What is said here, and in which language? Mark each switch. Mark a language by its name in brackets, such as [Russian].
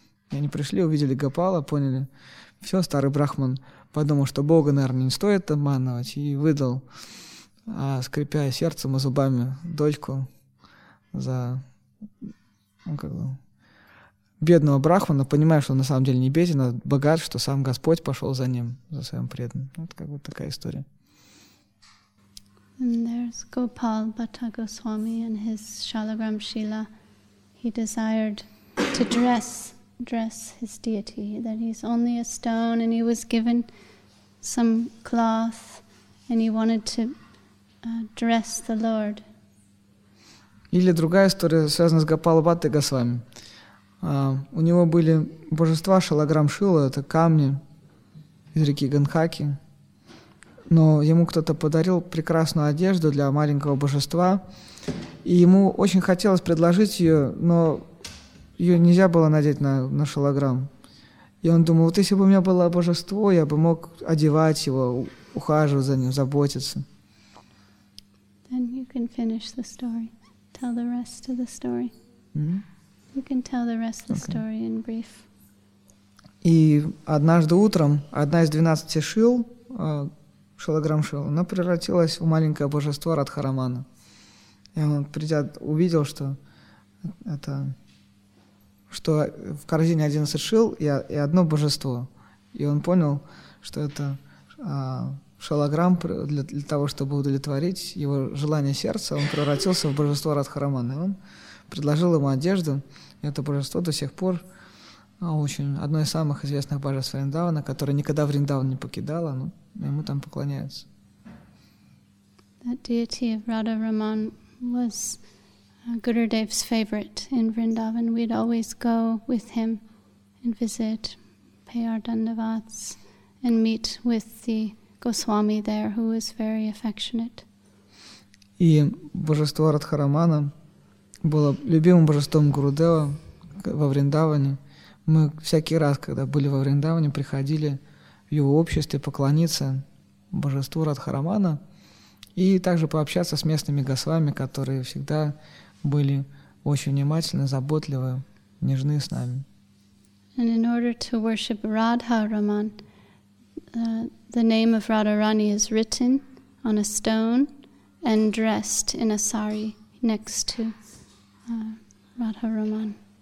[Russian] И они пришли, увидели Гопала, поняли. Все, старый брахман подумал, что Бога, наверное, не стоит обманывать, и выдал, скрипя сердцем и зубами, дочку за бедного брахмана, понимая, что он на самом деле не беден, а богат, что сам Господь пошел за ним, за своим преданным. Вот как вот такая история. [English] And there's Gopal Bhatta Goswami and his Shalagram Shila. He desired to dress his deity, that he's only a stone and he was given some cloth and he wanted to dress the Lord. [Russian] Или другая история связана с Гопала Бхатта Госвами. У него были божества Шалаграм Шила, это камни из реки Ганхаки. Но ему кто-то подарил прекрасную одежду для маленького божества. И ему очень хотелось предложить ее, но ее нельзя было надеть на шалаграм. И он думал, вот если бы у меня было божество, я бы мог одевать его, ухаживать за ним, заботиться. [English] Then you can finish the story. Tell the rest of the story. Mm-hmm. You can tell the rest of the story in brief. [Russian] И однажды утром одна из 12 шил, Шалаграм Шил, она превратилась в маленькое божество Радхарамана. И он, придя, увидел, что в корзине 11 шил и одно божество. И он понял, что это шалаграм для того, чтобы удовлетворить его желание сердца, он превратился в божество Радхарамана. И он предложил ему одежду. И это божество до сих пор очень одно из самых известных божеств Вриндавана, которое никогда Вриндаван не покидало, но ему там поклоняются. [English] That deity of Radharaman was Gurudev's favorite in Vrindavan. We'd always go with him and visit, pay our dandavats, and meet with the Goswami there, who was very affectionate. [Russian] И божество Радхарамана было любимым божеством Гурудева во Вриндаване. Мы всякий раз, когда были во Вриндаване, приходили в его обществе поклониться божеству Радхарамана и также пообщаться с местными госвами, которые всегда были очень внимательны, заботливы, нежны с нами. [English] And in order to worship Radharaman, the name of Radharani is written on a stone and dressed in a sari next to Radharaman.